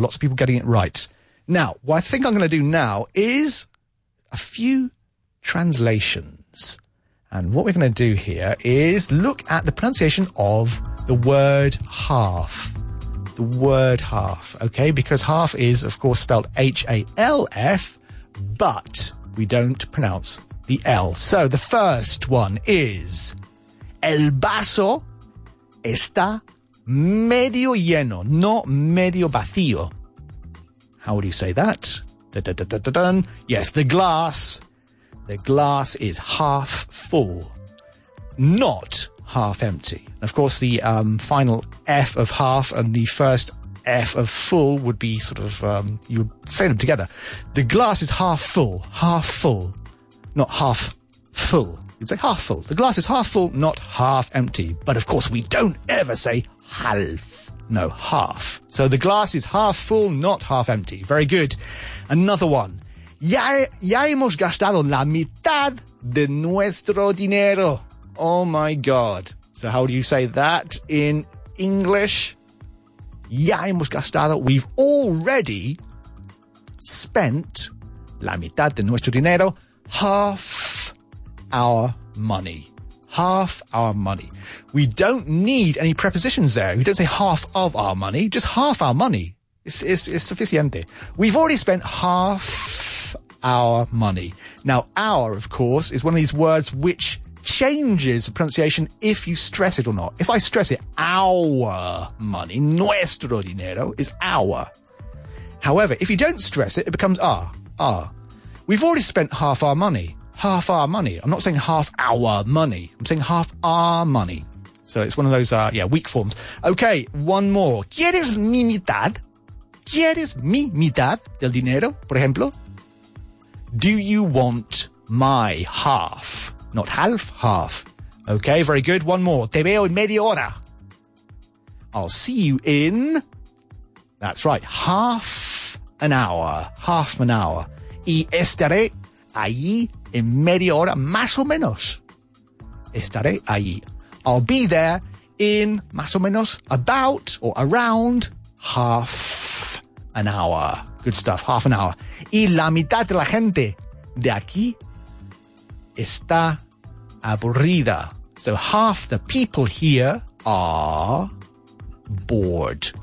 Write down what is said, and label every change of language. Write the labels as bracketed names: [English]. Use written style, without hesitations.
[English] Lots of people getting it right. Now, what I think I'm going to do now is a few translations. And what we're going to do here is look at the pronunciation of the word half. The word half, okay? Because half is, of course, spelled H-A-L-F, but we don't pronounce the L. So the first one is, [Spanish] el vaso está medio lleno, no medio vacío. [English] How would you say that? Yes, the glass is half full, not half empty. Of course, the final F of half and the first F of full would be sort of, you would say them together. The glass is half full, not half full. You'd say half full. The glass is half full, not half empty. But of course, we don't ever say half. No, half. So the glass is half full, not half empty. Very good. Another one. [Spanish] Ya hemos gastado la mitad de nuestro dinero. [English] Oh my God. So how do you say that in English? [Spanish] Ya hemos gastado. [English] We've already spent [Spanish] la mitad de nuestro dinero. [English] Half our money. Half our money. We don't need any prepositions there. We don't say half of our money, just half our money. It's suficiente. We've already spent half our money. Now, our, of course, is one of these words which changes the pronunciation if you stress it or not. If I stress it, our money, [Spanish] nuestro dinero, [English] is our. However, if you don't stress it, it becomes our. Our. We've already spent half our money. Half our money. I'm not saying half our money. I'm saying half our money. So it's one of those, weak forms. Okay, one more. [Spanish] ¿Quieres mi mitad? ¿Quieres mi mitad del dinero, por ejemplo? [English] Do you want my half? Not half, half. Okay, very good. One more. [Spanish] Te veo en media hora. [English] I'll see you in... That's right. Half an hour. Half an hour. [Spanish] Y estaré allí en media hora, más o menos. Estaré allí. [English] I'll be there in [Spanish] más o menos [English] about or around half an hour. Good stuff, half an hour. Y la mitad de la gente de aquí está aburrida. So half the people here are bored.